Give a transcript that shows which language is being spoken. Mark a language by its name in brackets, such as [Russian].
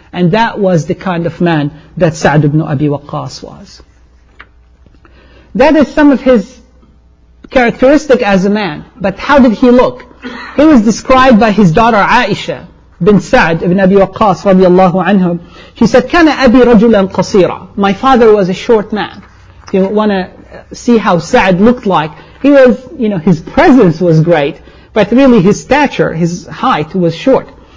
[English] And that was the kind of man that Sa'd ibn Abi Waqqas was. That is some of his characteristic as a man. But how did he look? He was described by his daughter Aisha bin Sa'd ibn Abi Waqqas radiyallahu anhum. She said, [Arabic] كَانَ أَبِي رَجُلًا قَصِيرًا. [English] My father was a short man. If you want to see how Sa'd looked like, he was, you know, his presence was great, but really his stature, his height was short.